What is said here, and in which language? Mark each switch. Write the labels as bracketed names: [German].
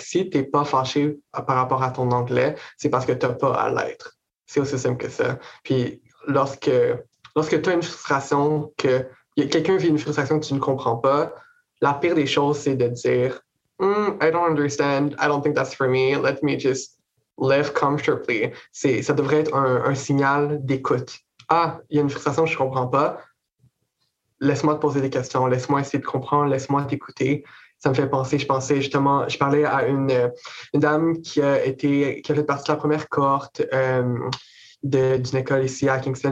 [French] Si t'es pas fâché par rapport à ton anglais, c'est parce que t'as pas à l'être. C'est aussi simple que ça. Puis, lorsque t'as une frustration, quelqu'un vit une frustration que tu ne comprends pas, la pire des choses, c'est de dire, [English] I don't understand. I don't think that's for me. Let me just live comfortably. [French] Ça devrait être un signal d'écoute. Ah, il y a une frustration, je ne comprends pas. Laisse-moi te poser des questions. Laisse-moi essayer de comprendre. Laisse-moi t'écouter. Ça me fait penser, je pensais justement, je parlais à une dame qui a fait partie de la première cohorte d'une école ici à Kingston.